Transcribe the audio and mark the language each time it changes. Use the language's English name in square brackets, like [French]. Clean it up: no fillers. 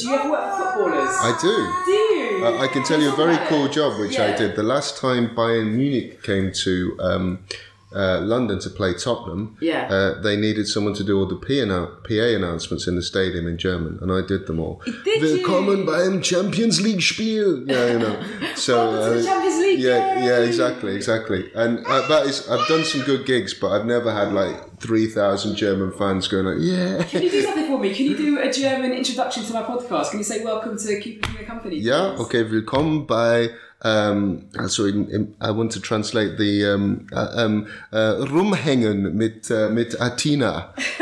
[English] Do you ever work with footballers? I do. Do you? I can tell you a very cool job, which I did. The last time Bayern Munich came to London to play Tottenham, they needed someone to do all the PA announcements in the stadium in German, and I did them all. Did you? [German] Willkommen beim Champions League Spiel. [English] Yeah, you know. So, Champions League, exactly. And I've done some good gigs, but I've never had like 3,000 German fans going like, yeah. Can you do something for me? Can you do a German introduction to my podcast? Can you say welcome to Keeping Me Company? Yeah, please? Okay, [German] willkommen bei. [English] I want to translate the [German] rumhängen mit Atina.